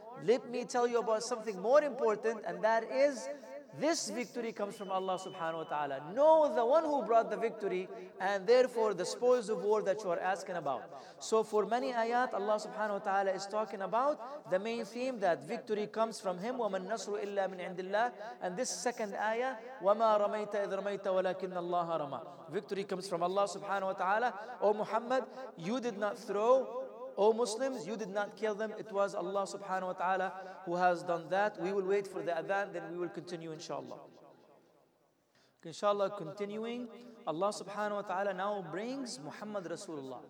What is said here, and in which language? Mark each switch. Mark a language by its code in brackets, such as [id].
[en] Let me tell you about something more important, and that is, this victory comes from Allah subhanahu wa ta'ala. Know the one who brought the victory, and therefore the spoils of war that you are asking about. So for many ayat, Allah subhanahu wa ta'ala is talking about the main theme, that victory comes from Him. [ar] وَمَن نَصْرُ إِلَّا مِنْ عِنْدِ اللَّهِ. [en] And this second ayah, [ar] وَمَا رَمَيْتَ إِذْ رَمَيْتَ وَلَكِنَّ اللَّهَ رَمَى. [en] Victory comes from Allah subhanahu wa ta'ala. O Muhammad, you did not throw. O Muslims, you did not kill them. It was Allah subhanahu wa ta'ala who has done that. We will wait for the adhan, then we will continue inshallah. Inshallah, continuing, Allah subhanahu wa ta'ala now brings Muhammad Rasulullah.